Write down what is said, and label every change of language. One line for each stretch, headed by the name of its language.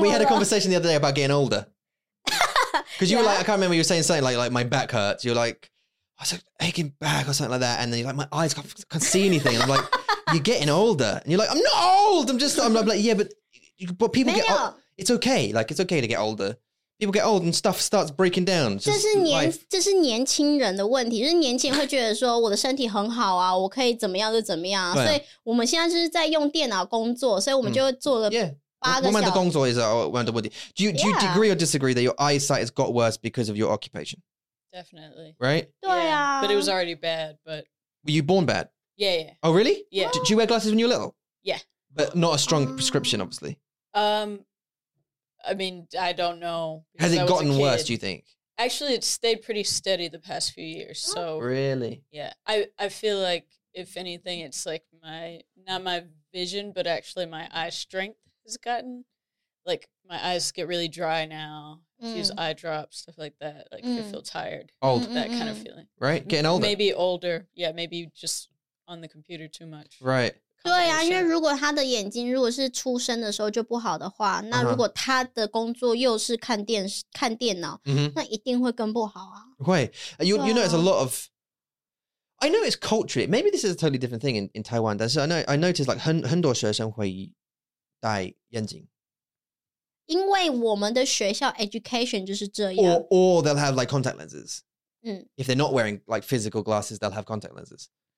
English: We had a conversation the other day about getting older. Because you were like, I can't remember, you were saying something like my back hurts. You're like, I was like, aching back or something like that. And then you're like, my eyes can't see anything. And I'm like, you're getting older. And you're like, I'm not old. I'm like, yeah, but people get old. It's okay. Like, it's okay to get older. People get old and stuff starts breaking down. This is
Chinese: 年轻人的问题。就是年轻会觉得说我的身体很好啊,我可以怎么样就怎么样。所以我们现在就是在用电脑工作,所以我们就会做了 8个小时。
English: Do you agree or disagree that your eyesight has got worse because of your occupation? Definitely. Right? Yeah. But it was already bad, but... Were you born bad? Yeah. Oh, really? Yeah. Do you wear glasses when you're little? Yeah. But not a strong prescription, obviously. I mean, I don't know. Has it gotten worse, do you think? Actually, it's stayed pretty steady the past few years, so... Really? Yeah. I feel like, if anything, it's like not my vision, but actually my eye strength has gotten... Like, my eyes get really dry now. Use eye drops, stuff like that. Like, I feel tired. Old. That kind of feeling. Right? Getting older. Maybe older. Yeah, maybe just on the computer too much. Right.
Chinese: 对啊,因为如果他的眼睛如果是出生的时候就不好的话, 那如果他的工作又是看电脑,那一定会更不好啊。
English: 会.You notice a lot of... I know it's culture. Maybe this is a totally different thing in Taiwan. That's, I noticed, like,
Chinese: 很多学生会戴眼镜。因为我们的学校 education 就是这样
English: or they'll have like contact lenses. If they're not wearing like physical glasses, they'll have contact lenses.